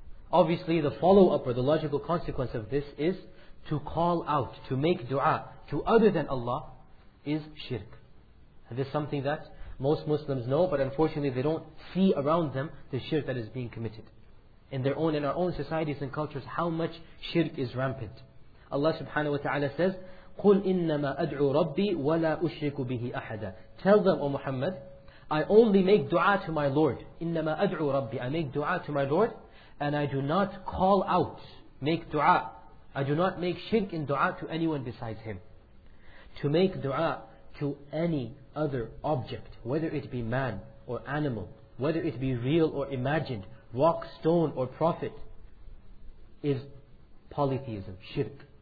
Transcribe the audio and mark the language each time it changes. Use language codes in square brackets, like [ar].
[en] Obviously the follow-up or the logical consequence of this is to call out, to make dua to other than Allah is shirk. And this is something that most Muslims know, but unfortunately they don't see around them the shirk that is being committed. In their own, in our own societies and cultures, how much shirk is rampant. Allah subhanahu wa ta'ala says, [ar] قُلْ إِنَّمَا أَدْعُوا رَبِّي وَلَا أُشْرِكُ بِهِ أَحَدًا. [en] Tell them, O Muhammad, I only make dua to my Lord. [ar] إِنَّمَا أَدْعُوا رَبِّي. [en] I make dua to my Lord, and I do not call out, make dua. I do not make shirk in dua to anyone besides Him. To make dua to any other object, whether it be man or animal, whether it be real or imagined, rock, stone or prophet, is polytheism, shirk.